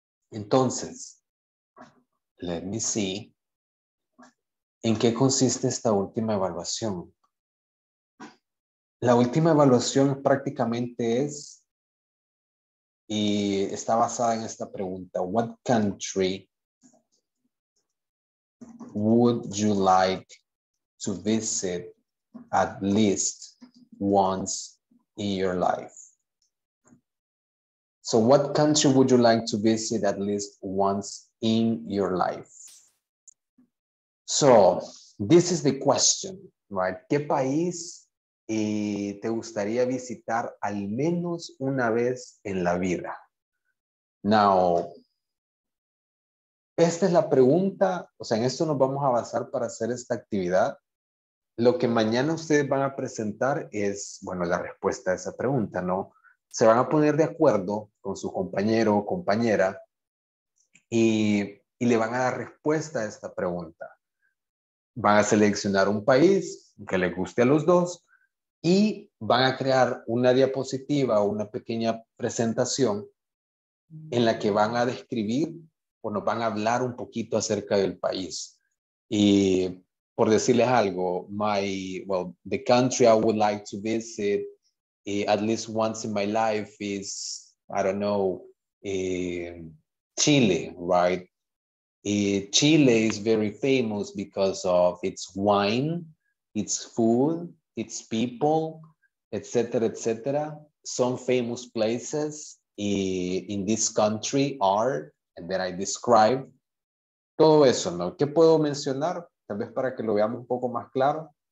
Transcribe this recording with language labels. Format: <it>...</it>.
<en>Entonces, let me see.</en> <es>¿En qué consiste esta última evaluación? La última evaluación prácticamente es y está basada en esta pregunta.</es> <en>What country would you like to visit at least once in your life? So what country would you like to visit at least once in your life? So, this is the question, right?</en> <es>¿Qué país te gustaría visitar al menos una vez en la vida? Now, esta es la pregunta, o sea, en esto nos vamos a basar para hacer esta actividad. Lo que mañana ustedes van a presentar es, bueno, la respuesta a esa pregunta, ¿no? Se van a poner de acuerdo con su compañero o compañera y le van a dar respuesta a esta pregunta. Van a seleccionar un país que les guste a los dos y van a crear una diapositiva o una pequeña presentación en la que van a describir o nos van a hablar un poquito acerca del país. Y por decirles algo,</es> <en>the country I would like to visit at least once in my life is, I don't know, Chile, right? Chile is very famous because of its wine, its food, its people, etc., etc. Some famous places in this country are, and then I describe.</en> <es>Todo eso, ¿no? ¿Qué puedo mencionar? Tal vez para que lo veamos un poco más claro.</es>